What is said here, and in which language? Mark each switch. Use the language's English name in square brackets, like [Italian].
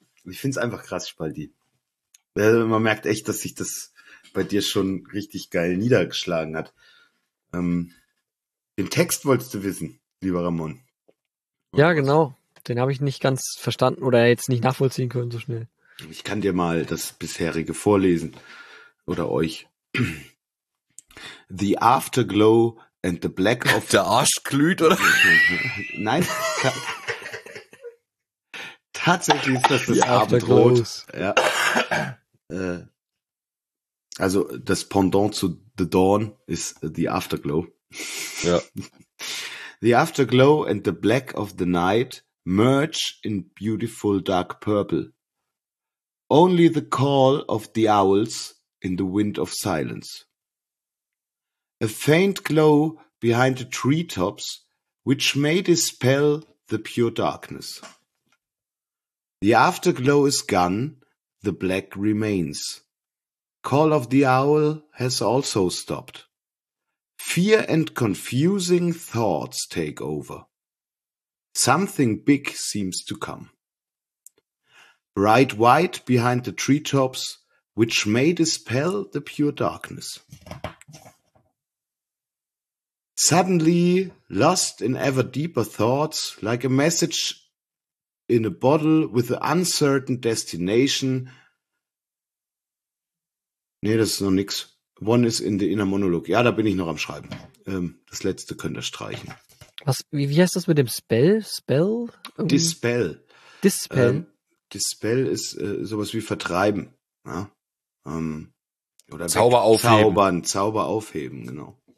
[German] Ich finde es einfach krass, Spaldi. Man merkt echt, dass sich das bei dir schon richtig geil niedergeschlagen hat. Den Text wolltest du wissen, lieber Ramon. Und ja, genau. Den habe ich nicht ganz verstanden oder jetzt nicht nachvollziehen können so schnell. Ich kann dir mal das bisherige vorlesen oder euch. [English] The afterglow and the black of [German] der Arsch glüht, oder? Nein. Tatsächlich ist das Abendrot. Ja. Also das Pendant zu The Dawn ist The Afterglow. Ja. [English] The Afterglow and the Black of the Night merge in beautiful dark purple. Only the call of the owls in the wind of silence. A faint glow behind the treetops which may dispel the pure darkness. The afterglow is gone, the black remains. Call of the owl has also stopped. Fear and confusing thoughts take over. Something big seems to come. Bright white behind the treetops, which may dispel the pure darkness. Suddenly, lost in ever deeper thoughts, like a message in a bottle with an uncertain destination. [German] Nee, das ist noch nix. [English] One is in the inner monologue. [German] Ja, da bin ich noch am Schreiben. Das letzte könnt ihr streichen. Was? Wie heißt das mit dem Spell? Spell? Dispel. Dispel? Dispel ist sowas wie vertreiben. Ja? Oder Zauber aufheben. Zauber aufheben, genau.